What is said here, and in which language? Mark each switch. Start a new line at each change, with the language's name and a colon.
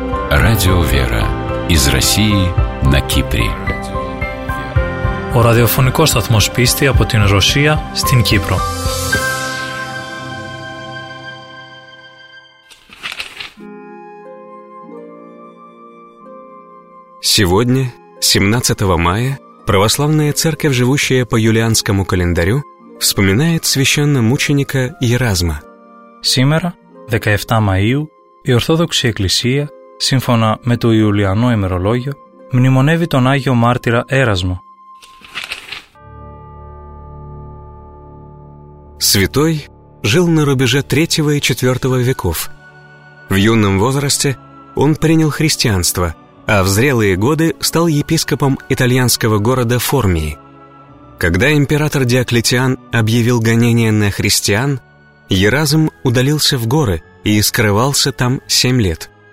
Russian: Радио «Вера» из России на Кипре.
Greek: Ο ραδιοφωνικός σταθμός πίστη από την Ρωσία στην Κύπρο.
Russian: Сегодня, 17 мая, православная церковь, живущая по юлианскому календарю, вспоминает священномученика Еразма.
Greek: Σήμερα, 17 Μαΐου, η Ορθόδοξη Εκκλησία, σύμφωνα με το Ιουλιανό ημερολόγιο, μνημονεύει τον Άγιο Μάρτυρα Έρασμο.
Russian: Святой жил на рубеже 3 и 4 веков. В юном возрасте он принял христианство, а в зрелые годы стал епископом итальянского города Формии. Когда император Диоклетиан объявил гонения на христиан, Еразм удалился в горы и скрывался там 7 лет.